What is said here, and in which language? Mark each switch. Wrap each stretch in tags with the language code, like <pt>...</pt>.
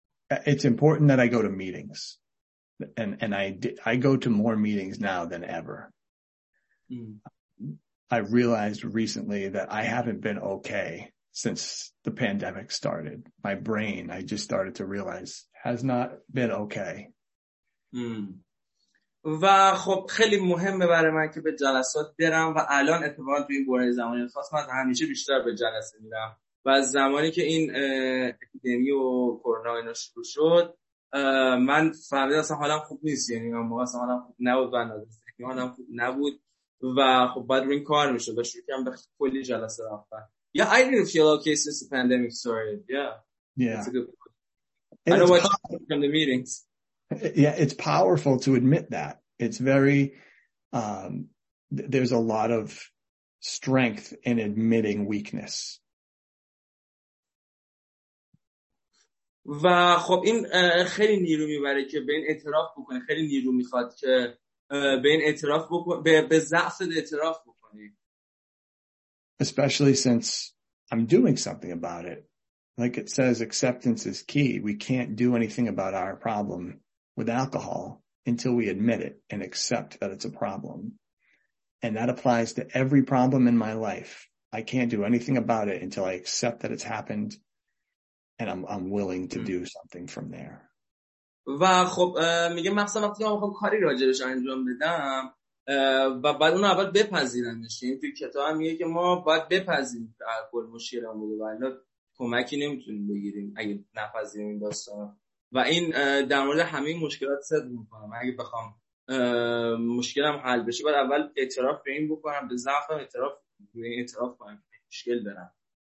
<en>It's important that I go to meetings, and I go to more meetings now than ever. I realized recently that I haven't been okay since the pandemic started. My brain, I just started to realize, has not been okay.</en> <fa>و خب خیلی مهمه برای من که به جلسات برم و الان اتفاقا توی این برهه زمانی خاص من همیشه بیشتر به جلسه میرم و از زمانی که این اپیدمی و کرونا اینا شروع شد من فهمیدم اصلا حالم خوب نیست، یعنی من موقع اصلا حالم خوب نبود و نادرستی حالم خوب نبود و خب بعد روی این کار میشد و شروع کردم به کلی جلسه رفتن.</fa> <en>Yeah, I didn't feel okay since the pandemic started. Yeah, yeah. That's a good point. I know what happened from the meetings. Yeah, it's powerful to admit that. It's very, there's a lot of strength in admitting weakness.</en> <fa>و خب این خیلی نیرو میبره که به این اعتراف بکنی، خیلی نیرو میخواد که به این اعتراف بکنی، به ضعفت اعتراف بکنی.</fa> <en>Especially since I'm doing something about it. Like it says, acceptance is key. We can't do anything about our problem with alcohol until we admit it and accept that it's a problem. And that applies to every problem in my life. I can't do anything about it until I accept that it's happened and I'm willing to do something from there.</en> <fa>و خب میگه مثلا وقتی که من میخوام کاری راجعش انجام بدم و بعد اون اول بپذیرمش، این توی کتاب میگه که ما باید بپذیریم الکل مشکلمون بوده ولی کمکی نمیتونیم بگیریم اگه نپذیریم این داستان. و این در مورد همه مشکلات صد میکنم، اگه بخوام مشکلم حل بشه باید اول اعتراف به این بکنم، به ضعفم اعتراف کنم مشکل دارم.</fa>